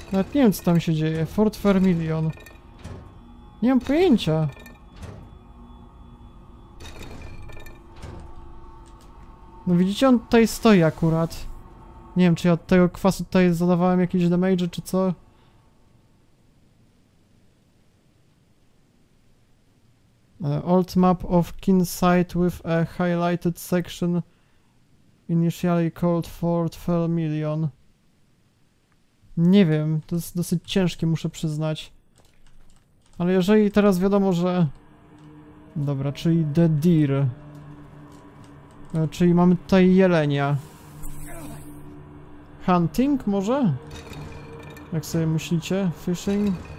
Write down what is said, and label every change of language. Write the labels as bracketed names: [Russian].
[Polish] Nawet nie wiem, co tam się dzieje. Fort Vermilion. Nie mam pojęcia. No widzicie, on tutaj stoi akurat. Nie wiem, czy ja od tego kwasu tutaj zadawałem jakieś damage'y, czy co? [English] Old map of Kinsight with a highlighted section initially called Fort Vermilion. [Polish] Nie wiem, to jest dosyć ciężkie, muszę przyznać. Ale jeżeli teraz wiadomo, że... Dobra, czyli [English] the deer. [Polish] Czyli mamy tutaj jelenia. Hunting może? Jak sobie myślicie? Fishing?